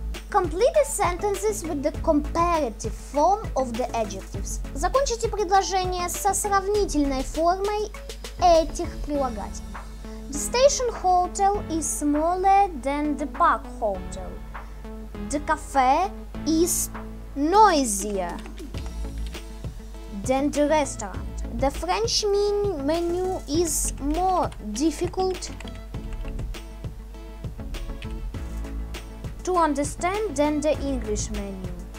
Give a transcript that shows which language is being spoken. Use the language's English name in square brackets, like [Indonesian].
[English] Complete the sentences with the comparative form of the adjectives. [Russian] Закончите предложение со сравнительной формой этих прилагательных. [English] The station hotel is smaller than the park hotel. The cafe is noisier than the restaurant. The French menu is more difficult to understand than the English menu.